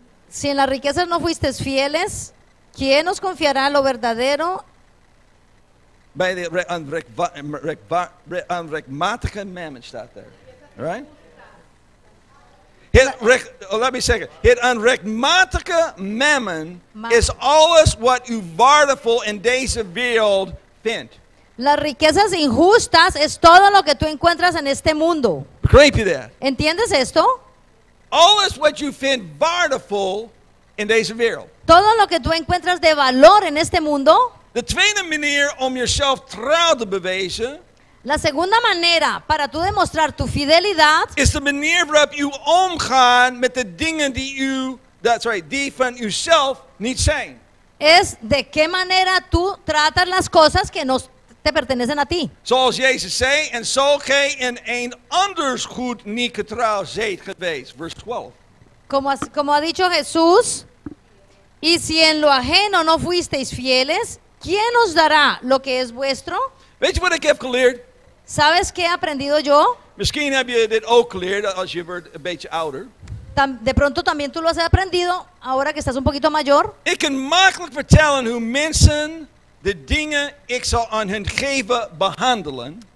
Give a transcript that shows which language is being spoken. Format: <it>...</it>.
<es>Si en las riquezas no fuisteis fieles, ¿quién os confiará lo verdadero?</es> <nl>Bij de onrechtmatige mammon staat daar.</nl> <en>Right? Let me say it.</en> <nl>Het onrechtmatige mammon is alles wat u waardevol in deze wereld vindt.</nl> <es>Las riquezas injustas es todo lo que tú encuentras en este mundo. ¿Entiendes esto?</es> <en>All is what you find valuable in this world.</en> <es>Todo lo que tú encuentras de valor en este mundo.</es> <nl>The tweede manier om jezelf trouw te bewijzen.</nl> <es>La segunda manera para tú demostrar tu fidelidad.</es> <nl>Is de manier waarop je omgaat met de dingen die van jezelf niet zijn.</nl> <es>Es de qué manera tú tratas las cosas que no te pertenecen a ti.</es> <nl>Zoals Jezus zei, en zo gij in een anders goed niet getrouw zijt geweest. Vers 12.</nl> <es>Como ha dicho Jesús, y si en lo ajeno no fuisteis fieles, ¿quién os dará lo que es vuestro?</es> <nl>Weet je wat ik heb geleerd?</nl> <es>¿Sabes qué he aprendido yo?</es> <nl>Misschien heb je dit ook geleerd als je wordt een beetje ouder.</nl> <es>De pronto también tú lo has aprendido, ahora que estás un poquito mayor.</es> <nl>Ik kan makkelijk vertellen hoe mensen de dingen ik zal aan hen geven behandelen.</nl>